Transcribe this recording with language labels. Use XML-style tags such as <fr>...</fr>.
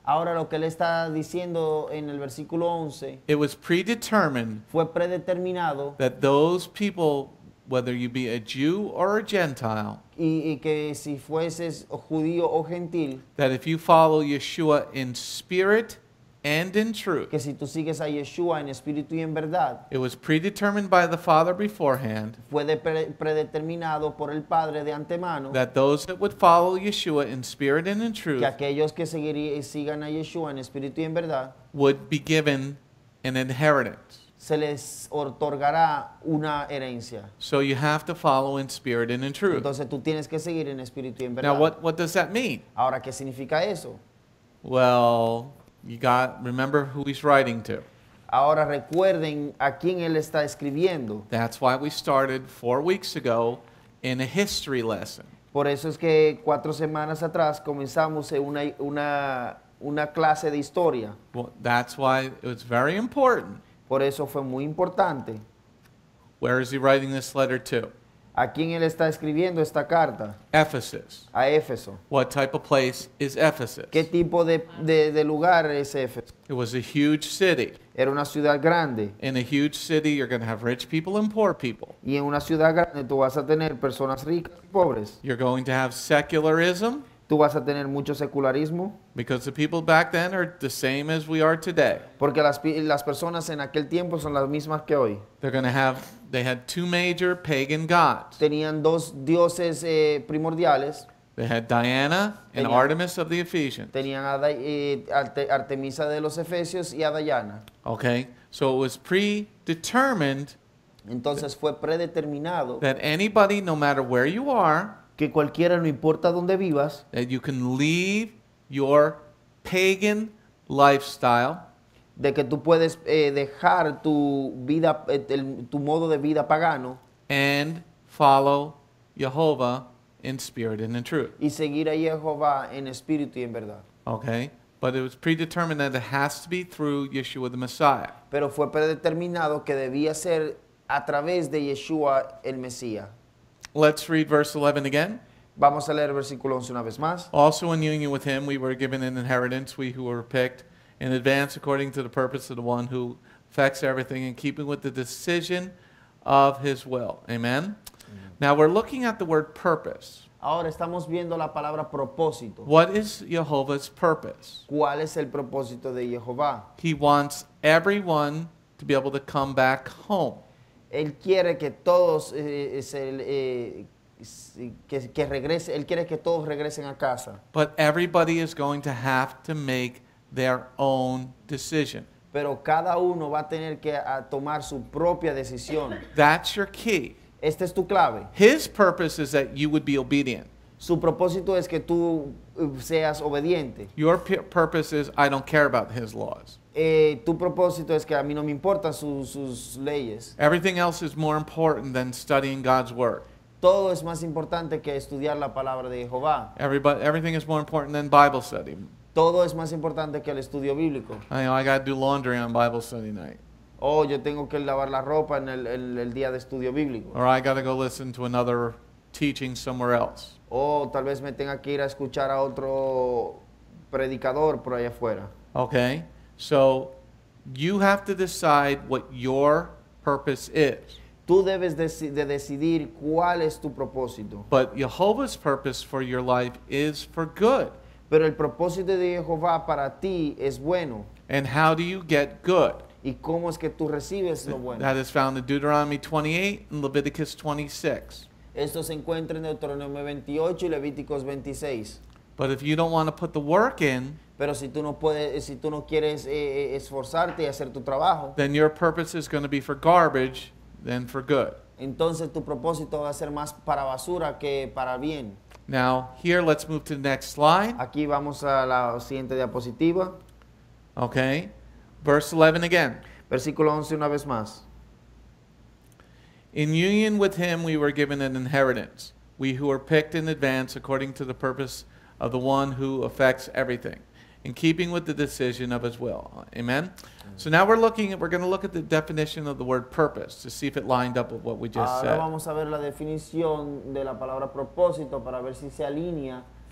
<es>Ahora lo que él está diciendo en el versículo 11.</es> <en>It was predetermined.</en> <es>Fue predeterminado.</es> <en>That those people, whether you be a Jew or a Gentile,</en> <es>y que si fueses judío o gentil,</es> <en>that if you follow Yeshua in spirit and in truth,</en> <es>que si tú sigues a Yeshua en espíritu y en verdad,</es> <en>it was predetermined by the Father beforehand,</en> <es>fue predeterminado por el Padre de antemano,</es> <en>that those that would follow Yeshua in spirit and in truth,</en> <es>que aquellos que sigan a Yeshua en espíritu y en verdad,</es> <en>would be given an inheritance.</en> <es>Se les otorgará una herencia.</es> <en>So you have to follow in spirit and in truth.</en> <es>Entonces tú tienes que seguir en espíritu y en verdad.</es> <en>Now what does that mean?</en> <es>Ahora, ¿qué significa eso?</es> <en>Well, remember who he's writing to.</en> <es>Ahora recuerden a quién él está escribiendo.</es> <en>That's why we started 4 weeks ago in a history lesson.</en> <es>Por eso es que 4 semanas atrás comenzamos en una una clase de historia.</es> <en>Well, that's why it was very important.</en> <es>Por eso fue muy importante.</es> <en>Where is he writing this letter to?</en> <es>¿A quién él está escribiendo esta carta?</es> <en>Ephesus.</en> <es>A Éfeso.</es> <en>What type of place is Ephesus?</en> <es>¿Qué tipo de lugar es Éfeso?</es> <en>It was a huge city.</en> <es>Era una ciudad grande.</es> <en>In a huge city, you're going to have rich people and poor people.</en> <es>Y en una ciudad grande, tú vas a tener personas ricas y pobres.</es> <en>You're going to have secularism.</en> <es>Tú vas a tener mucho secularismo.</es> <en>Because the people back then are the same as we are today.</en> <es>Porque las personas en aquel tiempo son las mismas que hoy.</es> <en>They're going to have... They had two major pagan gods.</en> <es>Tenían dos dioses primordiales.</es> <en>They had Diana and Artemis of the Ephesians.</en> <es>Tenían a Artemisa de los Efesios y a Diana.</es> <en>Okay, so it was predetermined.</en> <es>Entonces fue predeterminado.</es> <en>That anybody, no matter where you are,</en> <es>que cualquiera, no importa donde vivas,</es> <en>that you can leave your pagan lifestyle.</en> <es>De que tú puedes dejar tu vida, tu modo de vida pagano,</es> <en>and follow Yehovah in spirit and in truth.</en> <es>Y seguir a Yehovah en espíritu y en verdad.</es> <en>Okay, but it was predetermined that it has to be through Yeshua the Messiah.</en> <es>Pero fue predeterminado que debía ser a través de Yeshua el Mesías.</es> <en>Let's read verse 11 again.</en> <es>Vamos a leer el versículo 11 una vez más.</es> <en>Also in union with him, we were given an inheritance, we who were picked, in advance according to the purpose of the one who affects everything in keeping with the decision of his will. Amen? Mm-hmm. Now we're looking at the word purpose.</en> <es>Ahora estamos viendo la palabra propósito.</es> <en>What is Jehovah's purpose?</en> <es>¿Cuál es el propósito de Jehová?</es> <en>He wants everyone to be able to come back home.</en> <es>Él quiere que todos que regrese, él quiere que todos regresen a casa.</es> <en>But everybody is going to have to make their own decision.</en> <es>Pero cada uno va a tener que tomar su propia decisión.</es> <en>That's your key.</en> <es>Esta es tu clave.</es> <en>His purpose is that you would be obedient.</en> <es>Su propósito es que tú seas obediente.</es> <en>Your purpose is I don't care about his laws.</en> <es>Tu propósito es que a mí no me importan sus leyes.</es> <en>Everything else is more important than studying God's word.</en> <es>Todo es más importante que estudiar la palabra de Jehová.</es> <en>Everything is more important than Bible study.</en> <es>Todo es más importante que el estudio bíblico.</es> <en>I got to do laundry on Bible study night.</en> <es>Oh, yo tengo que lavar la ropa en el día de estudio bíblico.</es> <en>Or I got to go listen to another teaching somewhere else.</en> <es>Oh, tal vez me tenga que ir a escuchar a otro predicador por allá afuera.</es> <en>Okay, so you have to decide what your purpose is.</en> <es>Tú debes de decidir cuál es tu propósito.</es> <en>But Jehovah's purpose for your life is for good.</en> <es>Pero el propósito de Jehová para ti es bueno.</es> <en>And how do you get good?</en> <es>¿Y cómo es que tú recibes lo bueno?</es> <en>That is found in Deuteronomy 28 and Leviticus 26.</en> <es>Esto se encuentra en Deuteronomio 28 y Levíticos 26.</es> <en>But if you don't want to put the work in,</en> <es>pero si tú no puedes, si tú no quieres esforzarte y hacer tu trabajo,</es> <en>then your purpose is going to be for garbage than for good.</en> <es>Entonces tu propósito va a ser más para basura que para bien.</es> <en>Now, here, let's move to the next slide.</en> <es>Aquí vamos a la siguiente diapositiva.</es> <en>Okay. Verse 11 again.</en> <es>Versículo 11 una vez más.</es> <en>In union with him, we were given an inheritance. We who are picked in advance according to the purpose of the one who affects everything, in keeping with the decision of his will. Amen? So now we're going to look at the definition of the word purpose to see if it lined up with what we just said.</en> <es>Ahora vamos a ver la definición de la palabra propósito para ver si se alinea.</es>